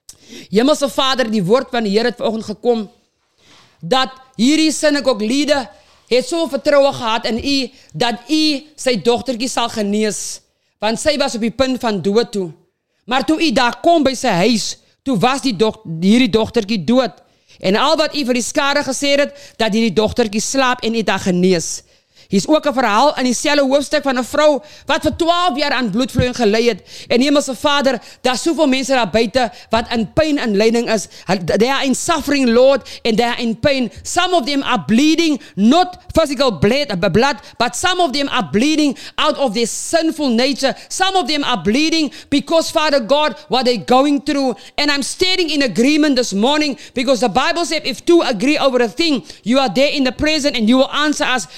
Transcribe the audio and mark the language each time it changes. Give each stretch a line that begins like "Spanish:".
Afrikaans: Hemelse Vader, die woord van die Here het vanoggend gekom, dat hierdie sinagoglede het so vertroue gehad in u, dat u sy dogtertjie sal genees, want sy was op die punt van dood toe. Maar toe u daar kom by sy huis, toe was hierdie dogtertjie dood. En al wat u vir die skare gesê het, dat hierdie dogtertjie slaap en u daar genees. Hier is ook een verhaal in dieselfde hoofstuk van een vrou, wat vir 12 jaar aan bloedvloeiing gelei het. En Hemelse Vader, daar is soveel mense daar buiten, wat in pijn en lyding is.
English: They are in suffering, Lord, and they are in pain. Some of them are bleeding, not physical blood, but some of them are bleeding out of their sinful nature. Some of them are bleeding because, Father God, what they're going through. And I'm standing in agreement this morning, because the Bible said, if two agree over a thing, you are there in the present and you will answer us.